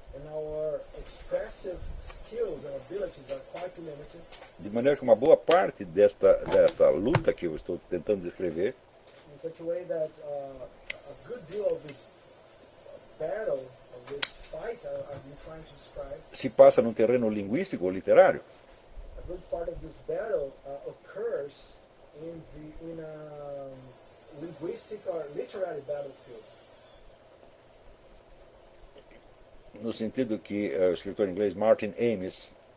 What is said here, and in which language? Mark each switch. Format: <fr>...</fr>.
<en>And our expressive skills and abilities are quite limited.</en> <pt>De maneira que uma boa parte desta luta que eu estou tentando descrever,</pt> <en>in such a way that a good deal of this battle, of this fight I've been trying to describe,</en> <pt>se passa num terreno linguístico ou literário.</pt> <en>A good part of this battle occurs in the in a linguistic or literary battlefield.</en> <pt>No sentido que o escritor inglês Martin Amis,</pt>